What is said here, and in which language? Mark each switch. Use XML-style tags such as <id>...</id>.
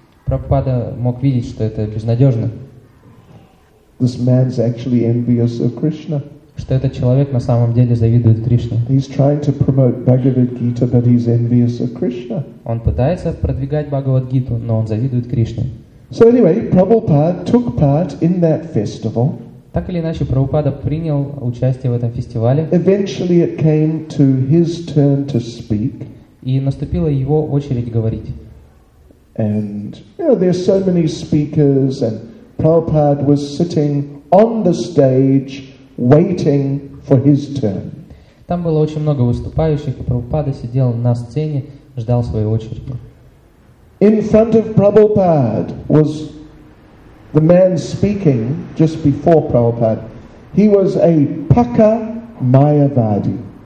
<ru>Прабхупада мог видеть, что это безнадежно.</ru> <en>This man's actually envious of Krishna.</en> <ru>Что этот человек на самом деле завидует Кришне.</ru> <en>He's trying to promote Bhagavad Gita, but he's envious of Krishna.</en> <ru>Он пытается продвигать Бхагавад Гиту, но он завидует Кришне.</ru> <en>So anyway, Prabhupada took part in that festival.</en> <ru>Так или иначе, Прабхупада принял участие в этом фестивале.</ru> <en>Eventually it came to his turn to speak.</en> <ru>И наступила его очередь говорить.</ru> <en>And you know, there's so many speakers, and Prabhupada was sitting on the stage waiting for his turn.</en> <ru>Там было очень много выступающих, и Прабхупада сидел на сцене, ждал своей очереди.</ru> <en>In front of Prabhupada was the man speaking just before Prabhupada. He was a Pakka Mayavadi.</en>